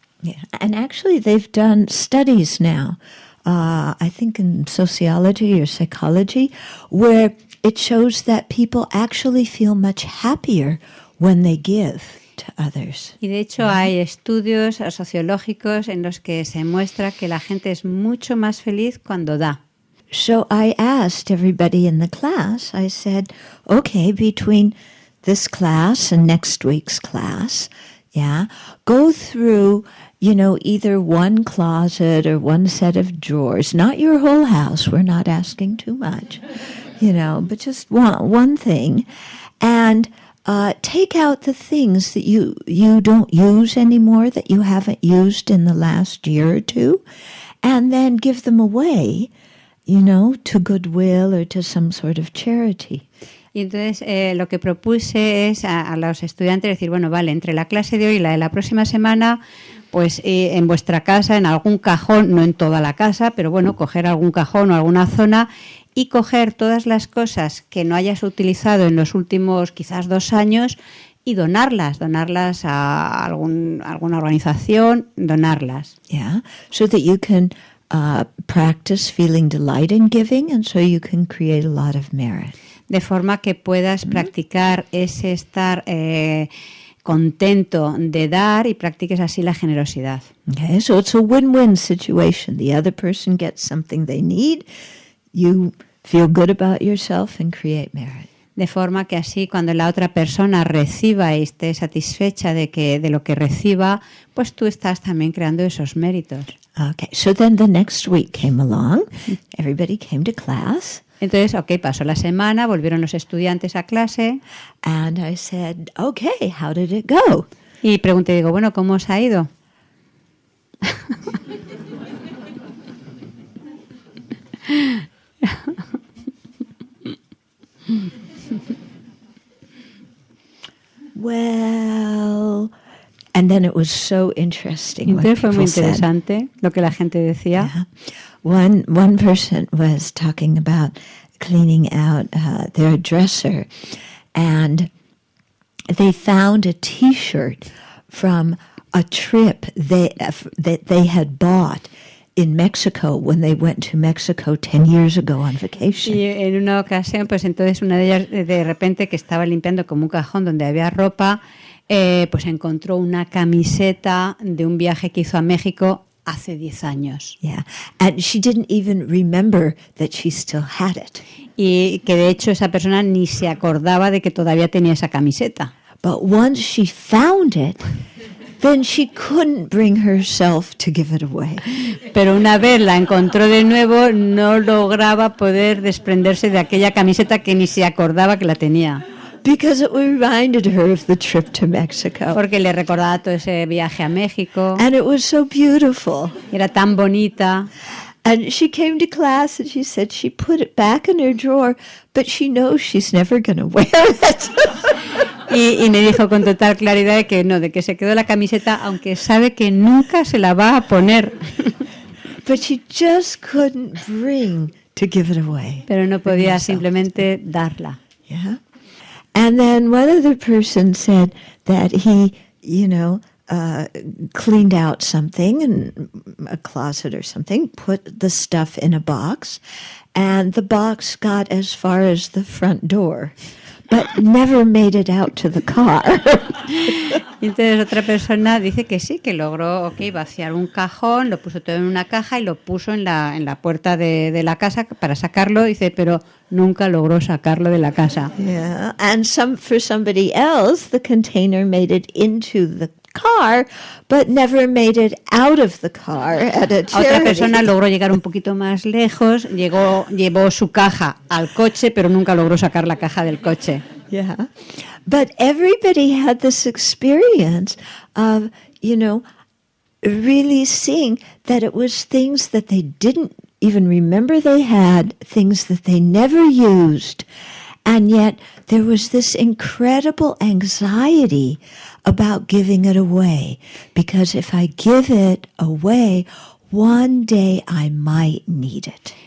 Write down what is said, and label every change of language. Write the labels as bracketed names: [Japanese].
[English] Yeah. And actually they've done studies now, I think in sociology or psychology, where it shows that people actually feel much happier when they give to others. [Spanish] Y de hecho hay estudios sociológicos en los que se muestra que la gente es mucho más feliz cuando da. [English] So I asked everybody in the class, I said, okay, between this class and next week's class, yeah, go through, you know, either one closet or one set of drawers, not your whole house, we're not asking too much, you know, but just one thing, and take out the things that you don't use anymore, that you haven't used in the last year or two, and then give them away, you know, to Goodwill or to some sort of charity. [Spanish] Y entonces lo que propuse es a los estudiantes decir, bueno, vale, entre la clase de hoy y la de la próxima semana, pues en vuestra casa, en algún cajón, no en toda la casa, pero bueno, coger algún cajón o alguna zona y coger todas las cosas que no hayas utilizado en los últimos quizás 2 años y donarlas a alguna organización, donarlas. [English] Yeah, so that you can practice feeling delight in giving and so you can create a lot of merit. [Spanish] De forma que puedas practicar ese estar contento de dar y practiques así la generosidad. [English] Okay, so it's a win-win situation. The other person gets something they need, you feel good about yourself and create merit. [Spanish] De forma que así cuando la otra persona reciba y esté satisfecha de lo que reciba, pues tú estás también creando esos méritos. [English] Okay, so then the next week came along, everybody came to class. [Spanish] Entonces, okay, pasó la semana, volvieron los estudiantes a clase. [English] And I said, okay, how did it go? [Spanish] Y pregunté, digo, bueno, ¿cómo os ha ido? [English] Well, and then it was so interesting. [Spanish] Entonces fue muy interesante lo que la gente decía. [English] Yeah. One person was talking about cleaning out their dresser, and they found a T-shirt from a trip that they had bought in Mexico when they went to Mexico 10 years ago on vacation. [Spanish] Y en una ocasión, pues entonces una de ellas de repente que estaba limpiando como un cajón donde había ropa, pues encontró una camiseta de un viaje que hizo a México hace 10 años. [English] Yeah, and she didn't even remember that she still had it. [Spanish] Y que de hecho esa persona ni se acordaba de que todavía tenía esa camiseta. [English] But once she found it, then she couldn't bring herself to give it away. [Spanish] Pero una vez la encontró de nuevo, no lograba poder desprenderse de aquella camiseta que ni se acordaba que la tenía. [English] Because it reminded her of the trip to Mexico. [Spanish] Porque le recordaba todo ese viaje a México. [English] And it was so beautiful. [Spanish] Era tan bonita. [English] And she came to class and she said she put it back in her drawer, but she knows she's never going to wear it. [Spanish] Y me dijo con total claridad de que no, de que se quedó la camiseta, aunque sabe que nunca se la va a poner. [English] But she just couldn't bring to give it away. [Spanish] Pero no podía simplemente darla. [English] Yeah. And then one other person said that he, you know, cleaned out something in a closet or something, put the stuff in a box, and the box got as far as the front door, but never made it out to the car. [Spanish] Entonces otra persona dice que sí, que logró, okay, vaciar un cajón, lo puso todo en una caja y lo puso en la puerta de la casa para sacarlo, dice, pero nunca logró sacarlo de la casa. [English] Yeah. And for somebody else, the container made it into the car, but never made it out of the car at a charity. [Spanish] Otra persona logró llegar un poquito más lejos, llevó su caja al coche, pero nunca logró sacar la caja del coche. [English] Yeah. But everybody had this experience of, you know, really seeing that it was things that they didn't even remember they had, things that they never used, and yet there was this incredible anxiety about giving it away, because if I give it away, one day I might need it.